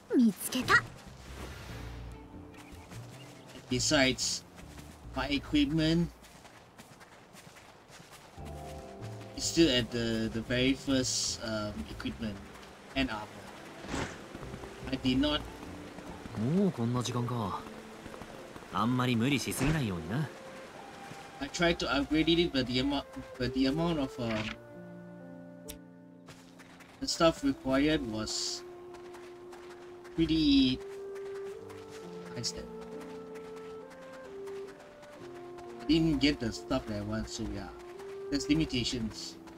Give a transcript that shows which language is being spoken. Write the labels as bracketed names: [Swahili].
[Japanese] 見つけた。 [English] Besides, my equipment is still at the very first equipment and armor. I did not. [Japanese] もうこんな時間か。あんまり無理しすぎないようにな。 [English] I tried to upgrade it, but the amount of the stuff required was pretty high step. I didn't get the stuff that I want, so yeah, there's limitations.